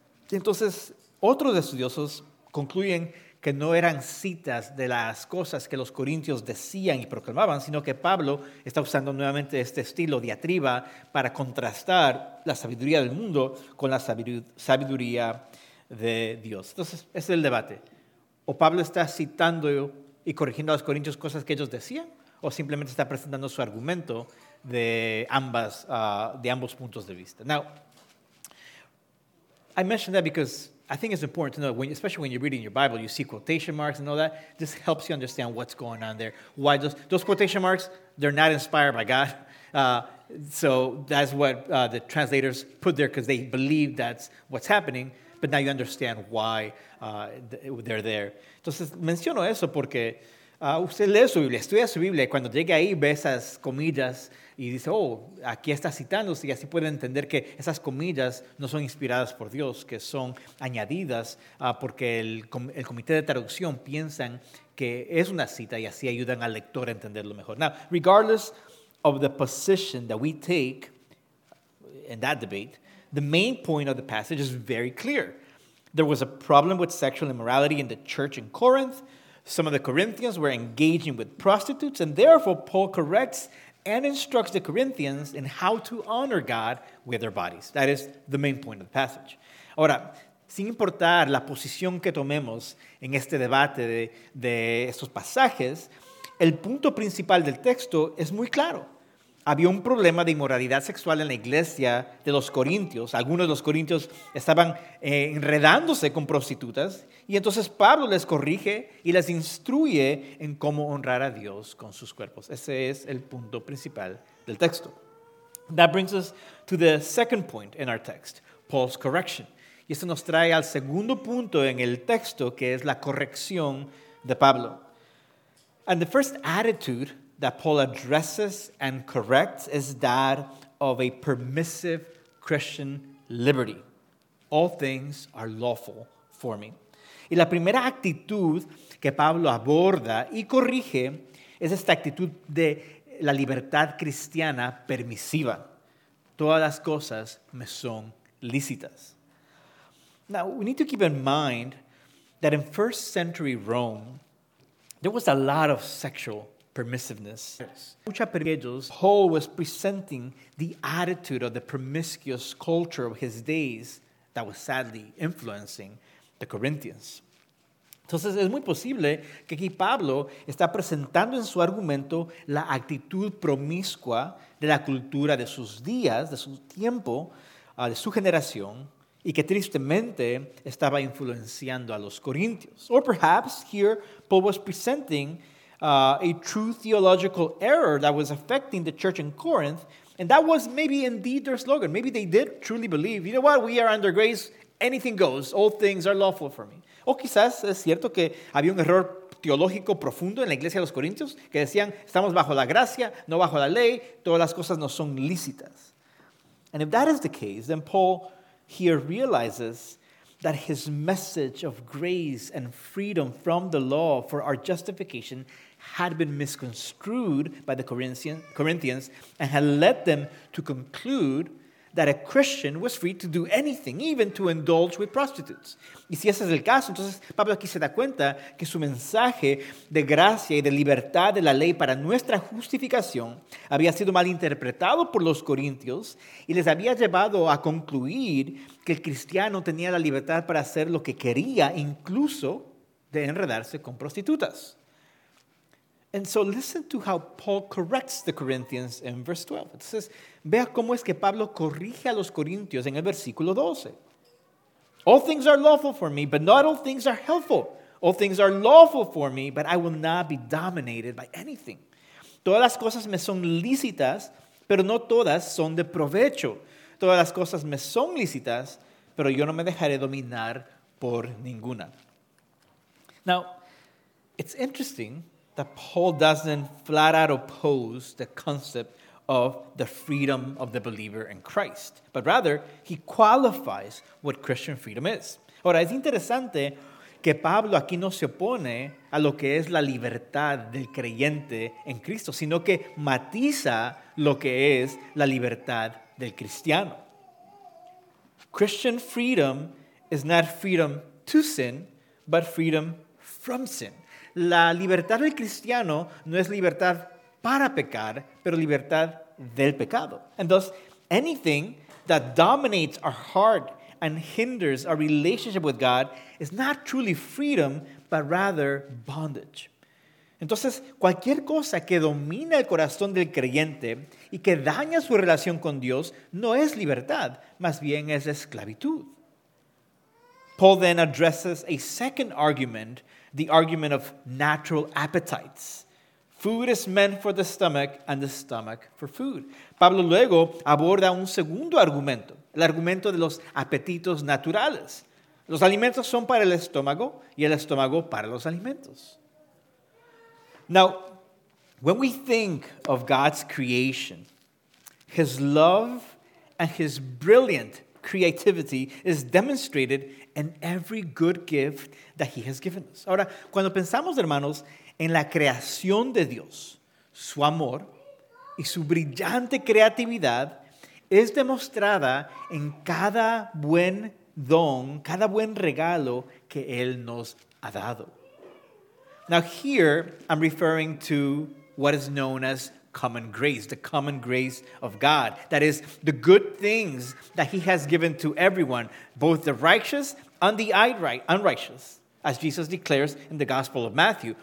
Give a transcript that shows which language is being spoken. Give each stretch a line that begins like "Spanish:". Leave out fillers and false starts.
Spanish: Y entonces, otros estudiosos concluyen que no eran citas de las cosas que los corintios decían y proclamaban, sino que Pablo está usando nuevamente este estilo diatriba para contrastar la sabiduría del mundo con la sabiduría de Dios. Entonces, ese es el debate. O Pablo está citando y corrigiendo a los corintios cosas que ellos decían, o simplemente está presentando su argumento de ambas, de ambos puntos de vista.
English: Now, I mentioned that because I think it's important to know, especially when you're reading your Bible, you see quotation marks and all that. This helps you understand what's going on there. Why those quotation marks, they're not inspired by God. So that's what the translators put there because they believe that's what's happening. But now you understand why they're there.
Spanish: Entonces, menciono eso porque usted lee su Biblia, estudia su Biblia, y cuando llegue ahí ve esas comillas y dice, oh, aquí está citándose, y así puede entender que esas comillas no son inspiradas por Dios, que son añadidas porque el comité de traducción piensan que es una cita y así ayudan al lector a entenderlo mejor.
English: Now, regardless of the position that we take in that debate, the main point of the passage is very clear. There was a problem with sexual immorality in the church in Corinth. Some of the Corinthians were engaging with prostitutes, and therefore Paul corrects and instructs the Corinthians in how to honor God with their bodies. That is the main point of the passage.
Spanish: Ahora, sin importar la posición que tomemos en este debate de estos pasajes, el punto principal del texto es muy claro. Había un problema de inmoralidad sexual en la iglesia de los corintios. Algunos de los corintios estaban enredándose con prostitutas. Y entonces Pablo les corrige y les instruye en cómo honrar a Dios con sus cuerpos. Ese es el punto principal del texto.
English: That brings us to the second point in our text, Paul's correction.
Spanish: Y esto nos trae al segundo punto en el texto, que es la corrección de Pablo.
English: And the first attitude that Paul addresses and corrects is that of a permissive Christian liberty. All things are lawful for me.
Spanish: Y la primera actitud que Pablo aborda y corrige es esta actitud de la libertad cristiana permisiva. Todas las cosas me son lícitas.
English: Now, we need to keep in mind that in first century Rome, there was a lot of sexual permissiveness. Paul was presenting the attitude of the promiscuous culture of his days that was sadly influencing the Corinthians.
Spanish: Entonces, es muy posible que aquí Pablo está presentando en su argumento la actitud promiscua de la cultura de sus días, de su tiempo, de su generación, y que tristemente estaba influenciando a los corintios.
English: Or perhaps here Paul was presenting a true theological error that was affecting the church in Corinth, and that was maybe indeed their slogan. Maybe they did truly believe, you know what, we are under grace, anything goes, all things are lawful for me.
Spanish: O quizás es cierto que había un error teológico profundo en la iglesia de los corintios que decían, estamos bajo la gracia, no bajo la ley, todas las cosas no son lícitas.
English: And if that is the case, then Paul here realizes that his message of grace and freedom from the law for our justification had been misconstrued by the Corinthians and had led them to conclude that a Christian was free to do anything, even to indulge with prostitutes.
Spanish: Y si ese es el caso, entonces Pablo aquí se da cuenta que su mensaje de gracia y de libertad de la ley para nuestra justificación había sido mal interpretado por los corintios y les había llevado a concluir que el cristiano tenía la libertad para hacer lo que quería, incluso de enredarse con prostitutas.
English: And so listen to how Paul corrects the Corinthians in verse 12.
Spanish: Entonces, vea cómo es que Pablo corrige a los corintios en el versículo 12.
English: All things are lawful for me, but not all things are helpful. All things are lawful for me, but I will not be dominated by anything.
Spanish: Todas las cosas me son lícitas, pero no todas son de provecho. Todas las cosas me son lícitas, pero yo no me dejaré dominar por ninguna.
English: Now, it's interesting that Paul doesn't flat out oppose the concept of the freedom of the believer in Christ, but rather he qualifies what Christian freedom is.
Spanish: Ahora, es interesante que Pablo aquí no se opone a lo que es la libertad del creyente en Cristo, sino que matiza lo que es la libertad del cristiano.
English: Christian freedom is not freedom to sin, but freedom from sin.
Spanish: La libertad del cristiano no es libertad para pecar, pero libertad del pecado.
English: And thus, anything that dominates our heart and hinders our relationship with God is not truly freedom, but rather bondage.
Spanish: Entonces, cualquier cosa que domina el corazón del creyente y que daña su relación con Dios no es libertad, más bien es esclavitud.
English: Paul then addresses a second argument, the argument of natural appetites. Food is meant for the stomach and the stomach for food.
Spanish: Pablo luego aborda un segundo argumento, el argumento de los apetitos naturales. Los alimentos son para el estómago y el estómago para los alimentos.
English: Now, when we think of God's creation, his love and his brilliant creativity is demonstrated in every good gift that he has given us.
Spanish: Ahora, cuando pensamos, hermanos, en la creación de Dios, su amor y su brillante creatividad es demostrada en cada buen don, cada buen regalo que él nos ha dado.
English: Now here, I'm referring to what is known as common grace, the common grace of God. That is, the good things that he has given to everyone, both the righteous and the unrighteous, as Jesus declares in the Gospel of Matthew.